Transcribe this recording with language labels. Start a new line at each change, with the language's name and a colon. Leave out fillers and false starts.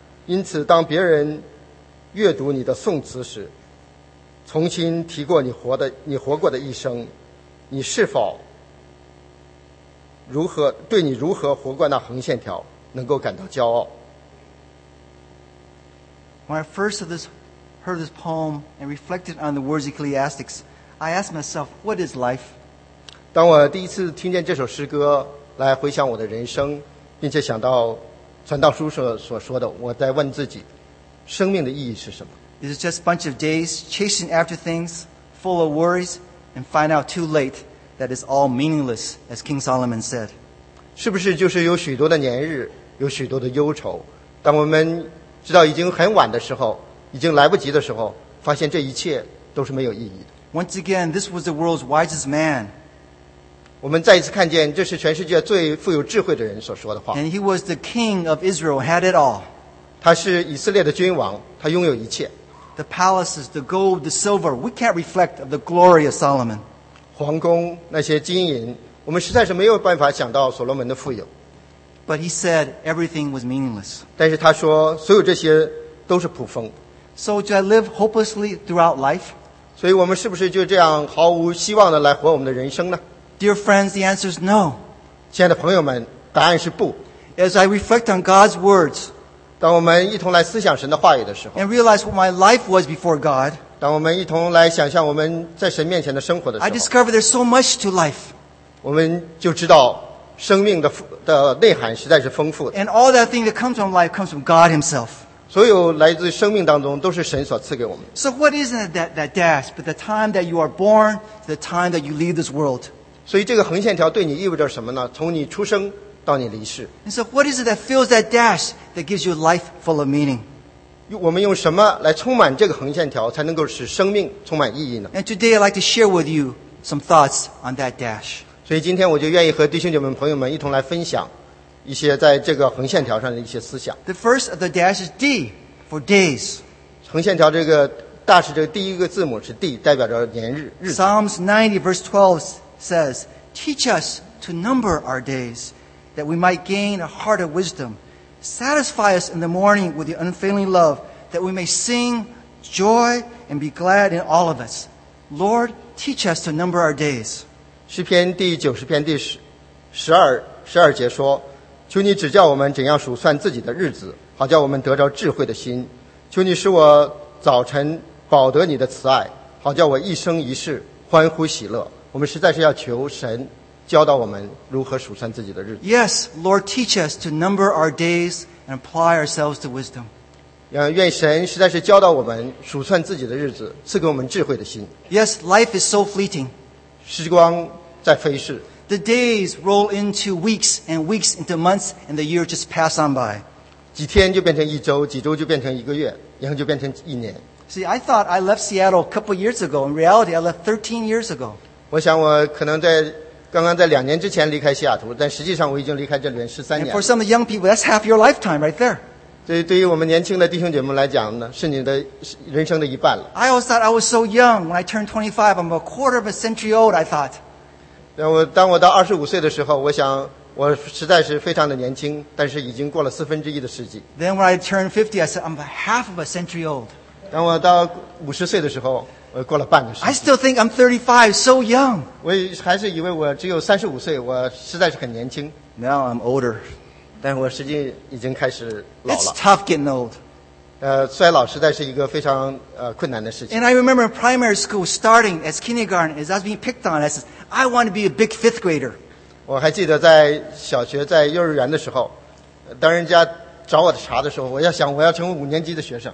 Chinese: 因此当别人阅读你的颂词时，重新提过你活过的一生，你是否如何活过那横线条能够感到骄傲。
English: When I first heard this poem and reflected on the words of Ecclesiastes, I asked myself, what is life?
Chinese: 当我第一次听见这首诗歌来回想我的人生，并且想到传道书所说的，我在问自己，生命的意义是什么？
English: Is it just a bunch of days chasing after things, full of worries, and find out too late that it's all meaningless, as King Solomon said?
Chinese: 是不是就是有许多的年日，有许多的忧愁，当我们直到已经很晚的时候，已经来不及的时候，发现这一切都是没有意义的。
English: Once again, this was the world's wisest man.
Chinese: 我们再一次看见，这是全世界最富有智慧的人所说的话。
English: And he was the king of Israel, had it all.
Chinese: 他是以色列的君王，他拥有一切。
English: The palaces, the gold, the silver, we can't reflect of the glory of Solomon.
Chinese: 皇宫那些金银，我们实在是没有办法想到所罗门的富有。
English: But he said everything was meaningless.
Chinese: 但是他说所有这些都是普风。
English: So do I live hopelessly throughout life?
Chinese: 所以我们是不是就这样毫无希望的来活我们的人生呢？
English: Dear friends, the answer is no.
Chinese: 亲爱的朋友们，答案是不。
English: As I reflect on God's words,
Chinese: 当我们一同来思想神的话语的时候，
English: and realize what my life was before God,
Chinese: 当我们一同来想象我们在神面前的生活的时候，
English: I discover there's so much to life.
Chinese: 我们就知道生命的内涵实在是丰富的。
English: And all that thing that comes from life comes from God Himself.
Chinese: 所有来自生命当中都是神所赐给我们。
English: So what is that dash? But the time that you are born, the time that you leave this world.
Chinese: 所以这个横线条对你意味着什么呢？从你出生到你离世。
English: And so what is it that fills that dash that gives you life full of meaning?
Chinese: 我们用什么来充满这个横线条，才能够使生命充满意义呢？
English: And today I'd like to share with you some thoughts on that dash.
Chinese: 所以今天我就愿意和弟兄姐妹朋友们一同来分享一些在这个横线条上的一些思想。
English: The first of the dash is D, for days.
Chinese: 横线条这个dash这个第一个字母是 D, 代表着年日、日子。
English: Psalms 90 verse 12 says, Teach us to number our days, that we might gain a heart of wisdom. Satisfy us in the morning with your unfailing love, that we may sing joy and be glad in all of us. Lord, teach us to number our days.
Chinese: 诗篇第九十篇第十二节说，求你指教我们怎样数算自己的日子，好叫我们得着智慧的心。求你使我早晨饱得你的慈爱，好叫我一生一世欢呼喜乐。我们实在是要求神教导我们如何数算自己的日子。
English: Yes, Lord, teach us to number our days and apply ourselves to wisdom.
Chinese: 愿神实在是教导我们数算自己的日子，赐给我们智慧的心。
English: Yes, life is so fleeting.
Chinese: 时光在飞逝。
English: The days roll into weeks and weeks into months and the year just pass on by.
Chinese: 几天就变成一周，几周就变成一个月，然后就变成一年。
English: See, I thought I left Seattle a couple years ago. In reality, I left 13 years ago.
Chinese: 我想我可能在刚刚在两年之前离开西雅图，但实际上我已经离开这里面13年。
English: And for some of the young people, that's half your lifetime right there.
Chinese: 对于我们年轻的弟兄姐妹来讲呢，是你的人生的一半了。
English: I always thought I was so young. When I turned 25, I'm a quarter of a century old, I thought.
Chinese: 然后当我到25岁的时候，我想我实在是非常的年轻，但是已经过了四分之一的世纪。
English: Then when I turned 50, I said, I'm a half of a century old.
Chinese: 当我到50岁的时候，我过了半个世纪。
English: I still think I'm 35, so young.
Chinese: 我还是以为我只有35岁，我实在是很年轻。
English: Now I'm older.
Chinese: 但我实际已经开始老了。
English: It's tough getting old.
Chinese: 衰老实在是一个非常困难的事情。
English: And I remember primary school starting as kindergarten, as I was being picked on, I said, I want to be a big fifth grader.
Chinese: 我还记得在小学在幼儿园的时候，当人家找我的茬的时候，我要想我要成为五年级的学生。